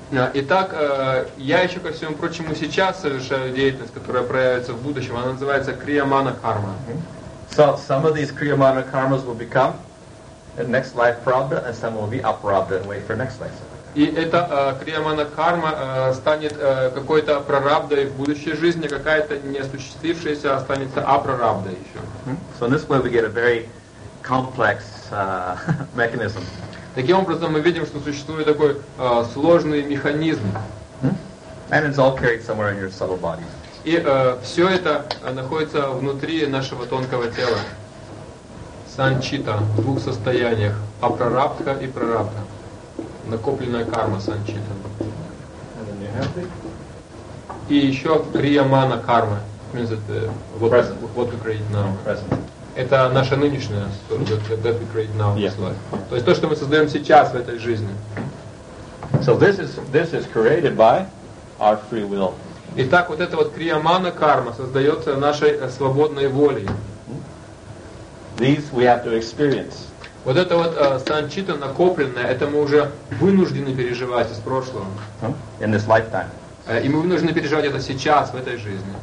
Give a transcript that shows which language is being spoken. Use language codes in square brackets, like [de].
[ru] Итак, я еще ко всему прочему сейчас совершаю деятельность, которая проявится в будущем. Она называется kriyamana karma. [en] So some of these kriyamana karmas will become in next life prarabdha, and some will be aprarabdha and wait for next life. [ru] И эта kriyamana karma станет какой-то прарабдой в будущей жизни, какая-то неосуществившаяся останется апрарабдой еще. [en] So in this way we get a very complex mechanism. [ru] Таким образом, мы видим, что существует такой сложный механизм. [en] And it's all carried somewhere in your subtle body. [ru] И все это находится внутри нашего тонкого тела. Санчита в двух состояниях: апрарабдха и прарабдха. Накопленная карма санчита. И еще криямана карма. [en] Means that what we create now. [ru] Это наша нынешняя [en] that we create now. [ru] То есть то, что мы создаем сейчас в этой жизни. [en] So this is created by our free will. [ru] Итак, вот эта вот криямана карма создается нашей свободной волей. [en] These we have to experience. [ru] Вот это вот санчита накопленное, это мы уже вынуждены переживать из прошлого. [en] In this lifetime. [ru] И мы вынуждены переживать это сейчас, в этой жизни.